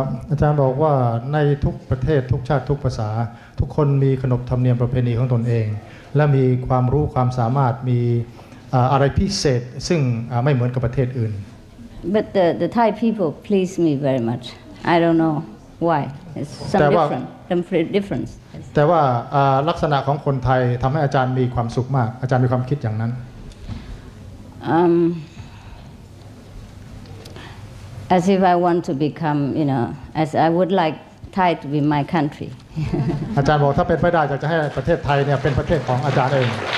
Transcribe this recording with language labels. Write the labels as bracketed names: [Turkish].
[Thai] อาจารย์บอกว่าในทุกประเทศทุกชาติทุกภาษาทุกคนมีขนบธรรมเนียมประเพณีของตนเองและมีความรู้ความสามารถมีอะไรพิเศษซึ่งไม่เหมือนกับประเทศอื่น [English] But the Thai people please me very much. I don't know why. It's some difference. Yes. [Thai] แต่ว่าลักษณะของคนไทยทำให้อาจารย์มีความสุขมากอาจารย์มีความคิดอย่างนั้น [English] As if I want to become, you know, as I would like Thai to be my country. [Thai] อาจารย์บอกถ้าเป็นไปได้อยากจะให้ประเทศไทยเนี่ยเป็นประเทศของอาจารย์เอง